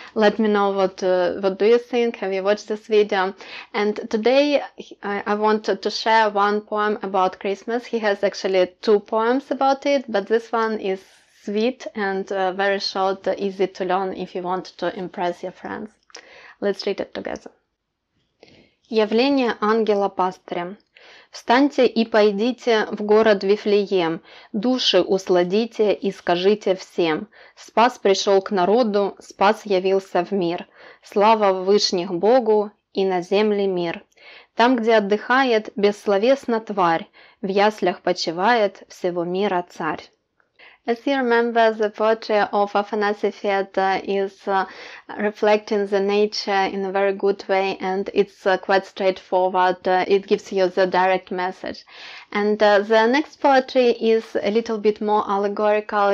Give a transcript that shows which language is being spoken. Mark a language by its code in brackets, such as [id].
[en] Let me know what do you think. Have you watched this video? And today I wanted to share one poem about Christmas. He has actually two poems about it, but this one is sweet and very short, easy to learn if you want to impress your friends. Let's read it together. [ru] Явление ангела-пастыря. Встаньте и пойдите в город Вифлеем, души усладите и скажите всем. Спас пришел к народу, спас явился в мир. Слава в вышних Богу и на земле мир. Там, где отдыхает бессловесна тварь, в яслях почивает всего мира царь. [en] As you remember, the poetry of Afanasy Fet is reflecting the nature in a very good way, and it's quite straightforward. It gives you the direct message. And the next poetry is a little bit more allegorical.